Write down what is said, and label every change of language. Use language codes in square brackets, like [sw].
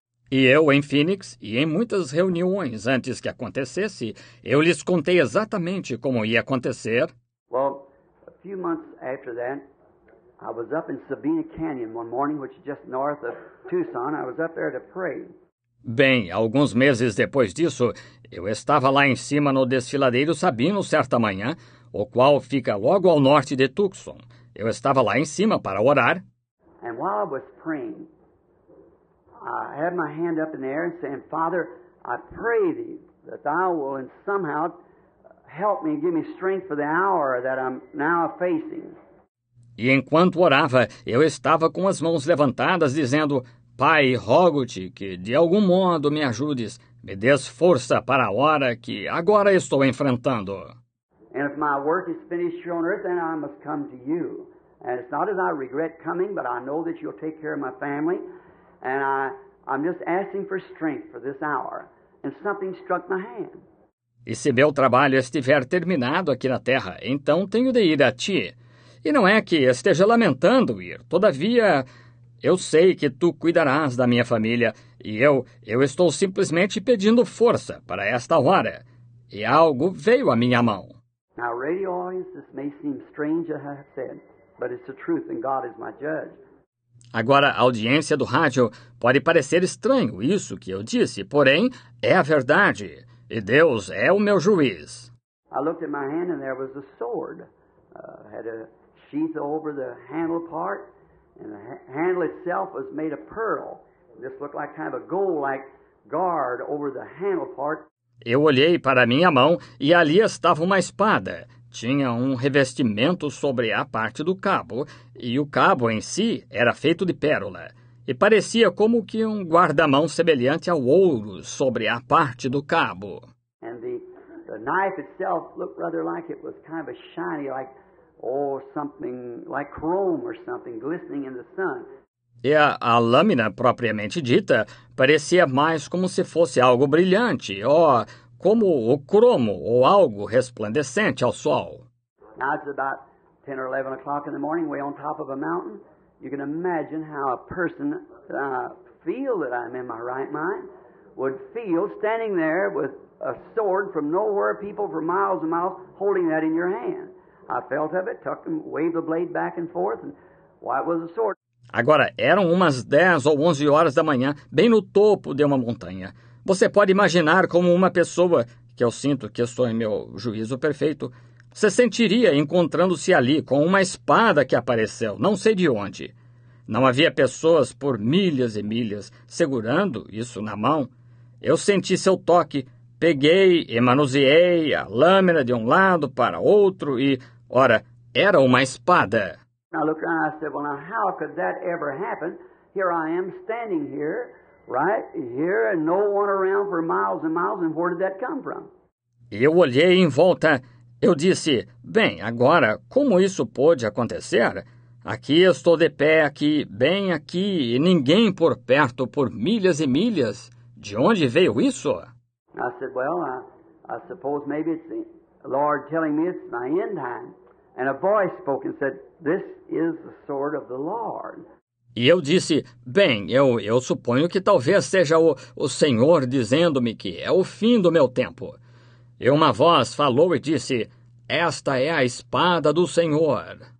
[pt] E eu, em Phoenix, e em muitas reuniões antes que acontecesse, eu lhes contei exatamente como ia acontecer. [en] Well, a few months after that, I was up in Sabina Canyon one morning, which is just north of Tucson. I was up there to pray. [pt] Bem, alguns meses depois disso, eu estava lá em cima no desfiladeiro Sabino certa manhã, o qual fica logo ao norte de Tucson. Eu estava lá em cima para orar. [en] And while I was praying, I had my hand up in the air and saying, Father, I pray thee that thou will somehow help me and give me strength for the hour that I'm now facing. [pt] E enquanto orava, eu estava com as mãos levantadas, dizendo, Pai, rogo-te que de algum modo me ajudes, me dês força para a hora que agora estou enfrentando. [en] And if my work is finished here on earth, then I must come to you. And it's not as I regret coming, but I know that you'll take care of my family. And I'm just asking for strength for this hour. And something struck my hand. [pt] E se meu trabalho estiver terminado aqui na terra, então tenho de ir a ti. E não é que esteja lamentando ir. Todavia, eu sei que tu cuidarás da minha família e eu estou simplesmente pedindo força para esta hora. E algo veio à minha mão. [en] Now, radio audience, this may seem strange, I have said, but it's the truth and God is my judge. [pt] Agora, a audiência do rádio pode parecer estranho isso que eu disse, porém, é a verdade e Deus é o meu juiz. [en] I looked at my hand and there was a sword. Had a sheath over the handle part, and the handle itself was made of pearl. This looked like kind of a gold-like guard over the handle part. [pt] Eu olhei para minha mão e ali estava uma espada. Tinha um revestimento sobre a parte do cabo, e o cabo em si era feito de pérola, e parecia como que um guarda-mão semelhante ao ouro sobre a parte do cabo. [en] And the knife itself looked rather like it was kind of a shiny, like or something like chrome or something glistening in the sun. [pt] E a lâmina propriamente dita parecia mais como se fosse algo brilhante, como o cromo ou algo resplandecente ao sol. [en] Now it's about 10 or 11 o'clock in the morning, way on top of a mountain. You can imagine how a person feel that I'm in my right mind would feel standing there with a sword from nowhere, people for miles and miles holding that in your hand. I felt of it, tucked and waved the blade back and forth, and why it was a sword. [pt] Agora, eram umas 10 ou 11 horas da manhã, bem no topo de uma montanha. Você pode imaginar como uma pessoa, que eu sinto que estou em meu juízo perfeito, se sentiria encontrando-se ali com uma espada que apareceu, não sei de onde. Não havia pessoas por milhas e milhas segurando isso na mão. Eu senti seu toque. Peguei e manuseei a lâmina de um lado para outro e, ora, era uma espada. [en] I looked around and I said, well, now, how could that ever happen? Here I am standing here, right here, and no one around for miles and miles, and where did that come from? [pt] E eu olhei em volta. Eu disse, bem, agora, como isso pôde acontecer? Aqui eu estou de pé, aqui, bem aqui, e ninguém por perto, por milhas e milhas. De onde veio isso? [en] I said, well, I suppose maybe it's the Lord telling me it's my end time. And a voice spoke and said, this is the sword of the Lord. [pt] E eu disse, bem, eu suponho que talvez seja o Senhor dizendo-me que é o fim do meu tempo. E uma voz falou e disse, esta é a espada do Senhor.